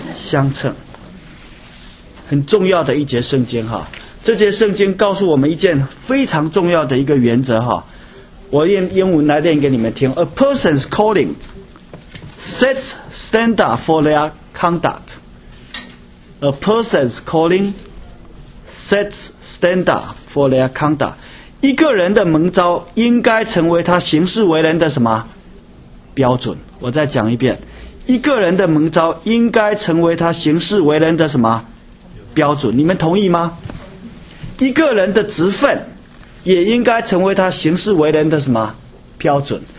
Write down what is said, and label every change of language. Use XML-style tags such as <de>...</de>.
<zh>相称。很重要的一节圣经哈，这节圣经告诉我们一件非常重要的一个原则哈，我用英文来念给你们听 ：</zh> <en>A person's calling sets standard for their conduct. A person's calling sets standard for their conduct.</en> <zh>一个人的蒙召应该成为他行事为人的什么标准？我再讲一遍，一个人的蒙召应该成为他行事为人的什么？标准，你们同意吗？一个人的职分也应该成为他行事为人的什么标准？</zh>